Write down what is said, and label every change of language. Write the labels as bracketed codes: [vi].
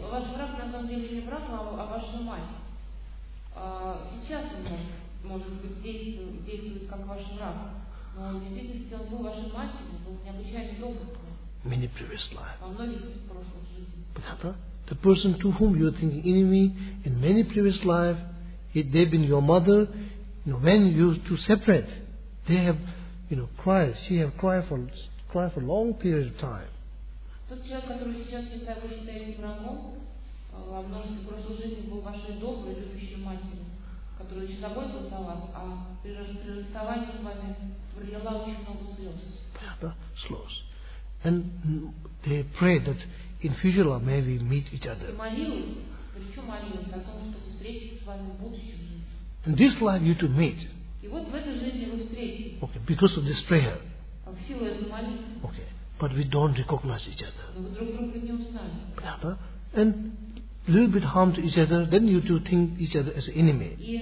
[ru] Ваш враг, на самом деле, не враг, а ваша мать. Сейчас он может быть, действует как ваш враг. Но он действительно [en] Понятно? The person to whom you are thinking enemy in many previous lives, they've been your mother. You know, when you two separate, they have, you know, cried. She have cried for a long period of time. [ru] Тот человек, который сейчас считает, вы считаете врагом, во многих прошлых жизнях был вашей доброй, любящей матерью, который очень заботился о вас, а при расставании с вами пролила очень много слез. Понятно? [en] Слез. And they pray that in future love may we meet each other. [ru] Молились, причем молились о том, чтобы встретиться с вами в будущем жизни. [en] And this life you to meet. [ru] И вот в этой жизни вы встретитесь. [en] Okay, because of this prayer. [ru] А в силу этой молитвы. [en] Okay, but we don't recognize each other. [ru] Но вы друг друга не узнали. Понятно? [en] And little bit harm to each other, then you two think each other as an enemy.